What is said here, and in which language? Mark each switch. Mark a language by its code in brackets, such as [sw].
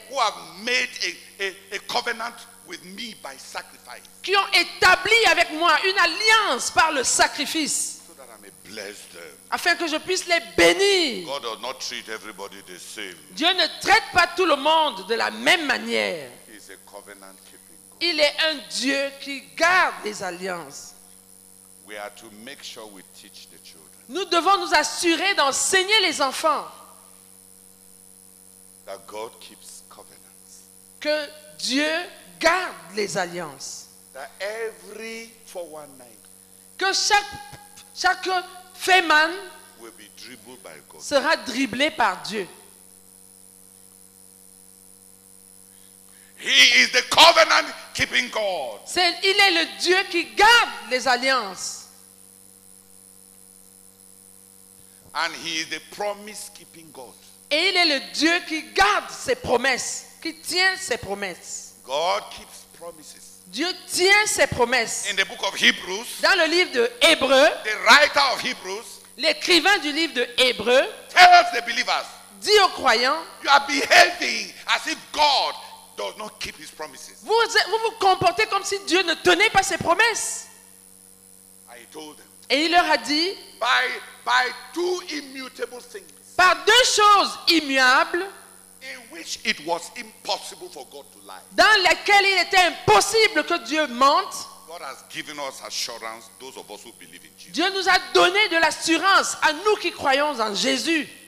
[en] Who have made a covenant with me by sacrifice. [fr] Qui ont établi avec moi une alliance par le sacrifice. [en] So that I may bless them. [fr] Afin que je puisse les bénir. [en] God does not treat everybody the same. [fr] Dieu ne traite pas tout le monde de la même manière. [en] He is a covenant keeping God. [fr] Il est un Dieu qui garde les alliances. [en] We are to make sure we teach the children. [fr] Nous devons nous assurer d'enseigner les enfants. [en] That God keeps covenants. [fr] Que Dieu garde les alliances. [en] That every 419. [fr] Que chaque fait-man [en] will be dribbled by God. [fr] Sera dribblé par Dieu. [en] He is the covenant keeping God. [fr] Il est le Dieu qui garde les alliances. [en] And he is the promise keeping God. [fr] Et il est le Dieu qui garde ses promesses, qui tient ses promesses. [en] God keeps promises. [fr] Dieu tient ses promesses. [en] In the book of Hebrews, [fr] dans le livre de Hébreux, [en] the writer of Hebrews, [fr] l'écrivain du livre de Hébreux, [en] tells the believers, [fr] dit aux croyants, [en] you are behaving as if God does not keep his promises. [fr] Vous vous comportez comme si Dieu ne tenait pas ses promesses. [en] I told them, [fr] et il leur a dit, [en] by two immutable things. [fr] Par deux choses immuables [en] in which it was impossible for God to lie. [fr] Dans lesquelles il était impossible que Dieu mente. [en] God has given us assurance, those of us who believe in Jesus. [fr] Dieu nous a donné de l'assurance à nous qui croyons en Jésus.